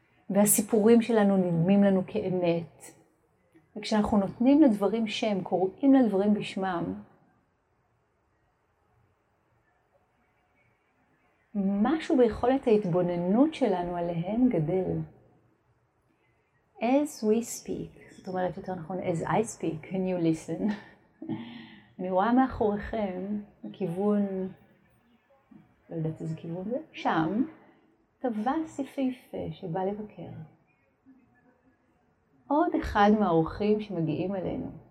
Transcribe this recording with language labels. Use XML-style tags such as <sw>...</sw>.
<he>והסיפורים שלנו נדמים לנו כאמת. וכשאנחנו נותנים לדברים שם, קוראים לדברים בשמם, משהו ביכולת ההתבוננות שלנו עליהם גדל.</he> <en>As we speak,</en> <he>זאת אומרת יותר נכון,</he> <en>as I speak, can you listen?</en> <he>אני רואה מאחוריכם, הכיוון, לא יודעת איזה כיוון זה, שם, טווס יפהפה שבא לבקר. עוד אחד מהאורחים שמגיעים אלינו.</he>